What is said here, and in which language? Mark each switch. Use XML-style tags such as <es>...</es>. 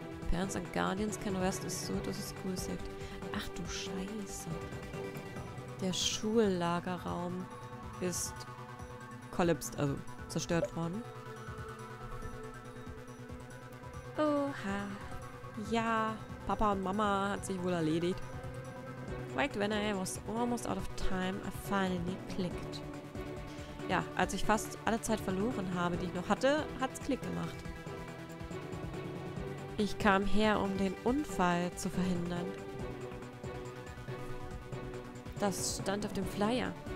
<en>Parents and Guardians can rest assured that the school is safe.</en> <de>Ach du Scheiße. Der Schullagerraum ist collapsed, also zerstört worden. Oha. Ja, Papa und Mama hat sich wohl erledigt.</de> <en>Right when I was almost out of time, I finally clicked.</en> <de>Ja, als ich fast alle Zeit verloren habe, die ich noch hatte, hat's Klick gemacht. Ich kam her, um den Unfall zu verhindern. Das stand auf dem Flyer.</de>